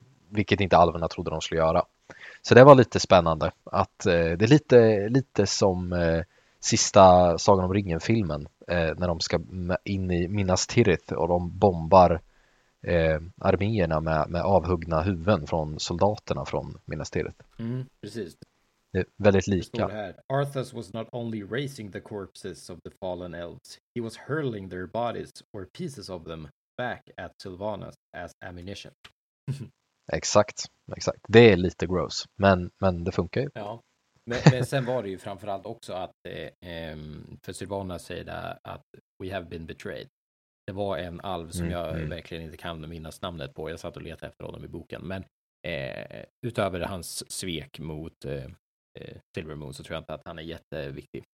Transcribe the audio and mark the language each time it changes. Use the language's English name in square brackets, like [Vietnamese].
[Swedish] Vilket inte alverna trodde de skulle göra. Så det var lite spännande att det är lite som sista Sagan om ringen-filmen när de ska in i Minas Tirith och de bombar arméerna med avhuggna huvuden från soldaterna från Minas Tirith. Mm, precis. Det är väldigt lika. [English] Arthas was not only raising the corpses of the fallen elves, he was hurling their bodies or pieces of them back at Sylvanas as ammunition. [Swedish] Exakt. Det är lite gross, men det funkar ju. Ja. Men sen var det ju framförallt också att för Sylvanas säger det att [English] we have been betrayed. [Swedish] Det var en alv som jag verkligen inte kan minnas namnet på. Jag satt och letade efter honom i boken, men utöver hans svek mot Silvermoon så tror jag inte att han är jätteviktig.